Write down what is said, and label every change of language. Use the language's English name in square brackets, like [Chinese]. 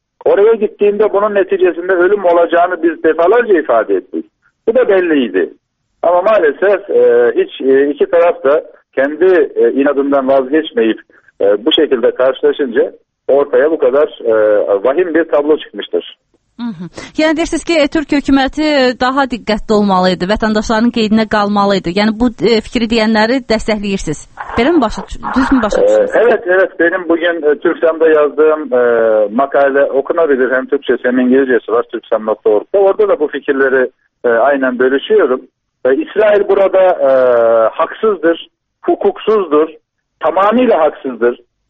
[Turkish] Oraya gittiğinde bunun neticesinde ölüm olacağını biz defalarca ifade ettik. Bu da belliydi. Ama maalesef iki taraf da kendi inadından vazgeçmeyip bu şekilde karşılaşınca ortaya bu kadar vahim bir tablo çıkmıştır. [Azerbaijani] Yani deyirsiniz ki, Türk hökuməti daha diqqətli olmalıydı, vətəndaşların qeydinə qalmalıydı. Yəni bu fikri deyənləri dəstəkləyirsiniz. Belə mi başa düşürsünüz? [Turkish] Evet, benim bugün Türksam'da yazdığım makalə okunabilir. Hem Türkçe hem İngilizcesi var, Türksam.org'da. Orada da bu fikirleri aynen bölüşüyorum. İsrail burada haksızdır, hukuksuzdur, tamamıyla haksızdır.